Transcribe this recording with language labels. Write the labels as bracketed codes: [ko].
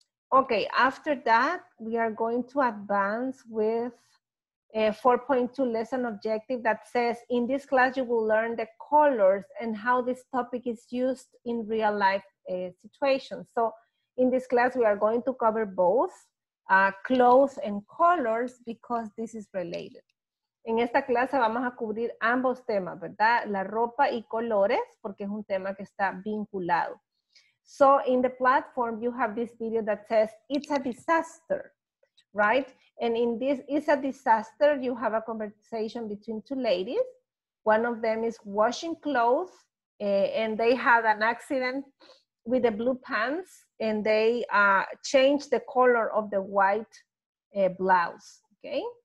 [en] Okay, after that, we are going to advance with a 4.2 lesson objective that says, in this class, you will learn the colors and how this topic is used in real life situations. So in this class, we are going to cover both clothes and colors because this is related. [es] En esta clase vamos a cubrir ambos temas, ¿verdad? La ropa y colores, porque es un tema que está vinculado. [en] So in the platform, you have this video that says, it's a disaster, right? And in this, it's a disaster, you have a conversation between two ladies. One of them is washing clothes and they had an accident with the blue pants and they changed the color of the white blouse, okay?